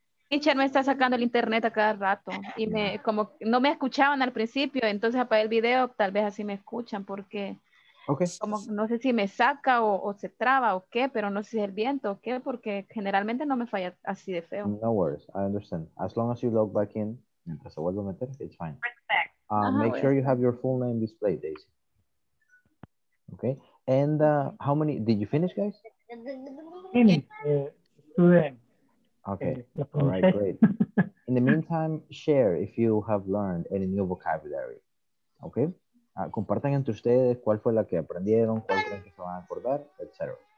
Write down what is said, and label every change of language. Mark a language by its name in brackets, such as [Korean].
[Spanish] Teacher me está sacando el internet a cada rato y me como no me escuchaban al principio, entonces apagué el video, tal vez así me escuchan porque como no sé si me saca o se traba o qué, pero no sé si es el viento o qué, porque generalmente no me falla así de feo. [English] No worries, I understand. As long as you log back in, [Spanish] mientras se vuelve a meter, [English] it's fine. Make sure you have your full name displayed, Daisy. Okay, and how many, did you finish, guys? Okay, all right, great. In the meantime, share if you have learned any new vocabulary. [Spanish] Okay, compartan entre ustedes cuál fue la que aprendieron, cuál creen que se van a acordar, etc.